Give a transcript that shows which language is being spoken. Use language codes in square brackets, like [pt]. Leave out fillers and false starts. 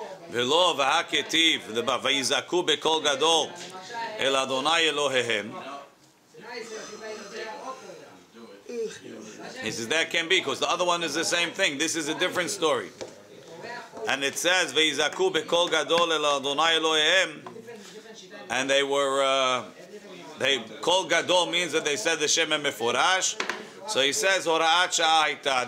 [he] ולא והכתיב, ויזעקו בקול גדול אל אדוני אלוהיהם. [en] He says, that can't be, because the other one is the same thing. This is a different story. And it says, ויזעקו בקול גדול אל אדוני אלוהיהם. And they were, [he] קול גדול [en] means that they said the שם מפורש. [he] So he says, הוראת שעה הייתה.